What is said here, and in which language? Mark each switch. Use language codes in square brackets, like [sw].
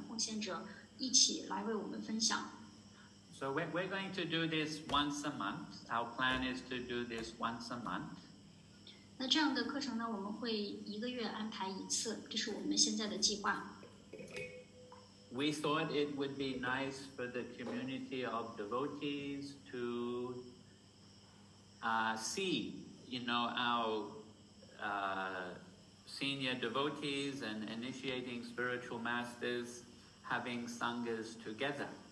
[zh] 但是今天我们会有来自海外的三位年长的奉献者一起来为我们分享。 [en] So we're going to do this once a month. Our plan is to do this once a month. [zh] 那这样的课程呢,我们会一个月安排一次,这是我们现在的计划。 [en] We thought it would be nice for the community of devotees to see, you know, our senior devotees and initiating spiritual masters having sanghas together.